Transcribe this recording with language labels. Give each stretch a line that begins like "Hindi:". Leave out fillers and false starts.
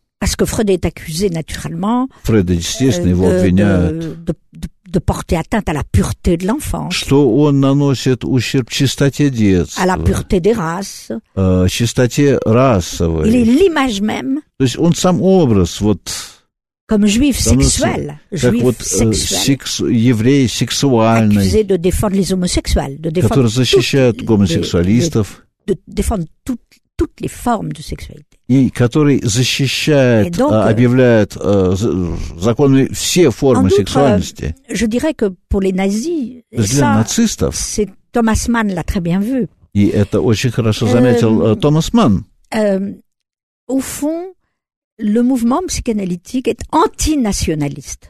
French: Parce que Freud est accusé naturellement de porter atteinte à la pureté de l'enfance.
Russian: Что он наносит ущерб чистоте детства.
French: À la pureté des races.
Russian: Чистоте расовой.
French: Il est l'image même.
Russian: То есть он сам образ вот.
French: Comme juif sexuel.
Russian: Как вот еврей сексуальный.
French: Accusé de défendre les homosexuels, de défendre.
Russian: Который защищает гомосексуалистов.
French: De défendre toutes les formes de sexualité.
Russian: И который защищает,
French: donc,
Russian: объявляет законами все формы сексуальности.
French: Je dirais que pour les nazis,
Russian: для нацистов,
French: c'est Thomas Mann l'a très bien vu.
Russian: И это очень хорошо заметил Томас Манн.
French: Au fond, le mouvement psychanalytique est antinationaliste.